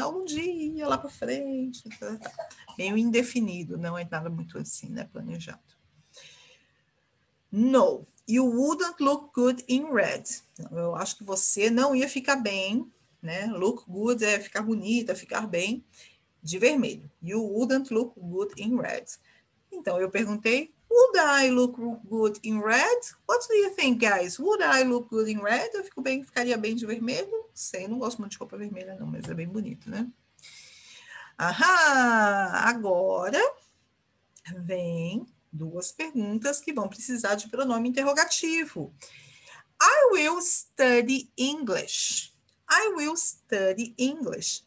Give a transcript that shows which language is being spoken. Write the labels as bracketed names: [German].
[Portuguese] Algum dia, lá para frente. Tá? Meio indefinido, não é nada muito assim, né? Planejado. [English] No, you wouldn't look good in red. [Portuguese] Eu acho que você não ia ficar bem, né? [English] Look good [Portuguese] é ficar bonita, ficar bem de vermelho. [English] You wouldn't look good in red. [Portuguese] Então, eu perguntei, [English] would I look good in red? What do you think, guys? Would I look good in red? [Portuguese] Eu fico bem, ficaria bem de vermelho? Sei, não gosto muito de roupa vermelha, não, mas é bem bonito, né? Ahá! Agora vem duas perguntas que vão precisar de pronome interrogativo. [English] I will study English. I will study English.